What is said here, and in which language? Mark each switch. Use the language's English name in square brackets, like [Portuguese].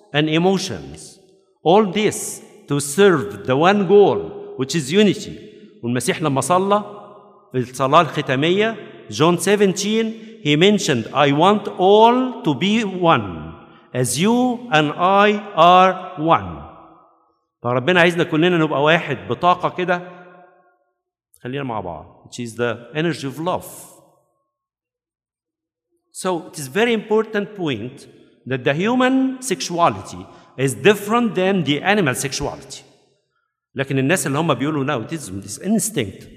[English] And emotions. All this to serve the one goal, which is unity. [Arabic] والمسيح لما صلى في الصلاة الختامية [English] John 17, he mentioned, I want all to be one, as you and I are one. [Arabic] فربنا عايزنا كلنا نبقى واحد بطاقة كده. خلينا مع بعض. [English] Which is the energy of love. So it is very important point that the human sexuality is different than the animal sexuality. [Arabic] لكن الناس اللي هم بيقولوا [English] no, it is this instinct.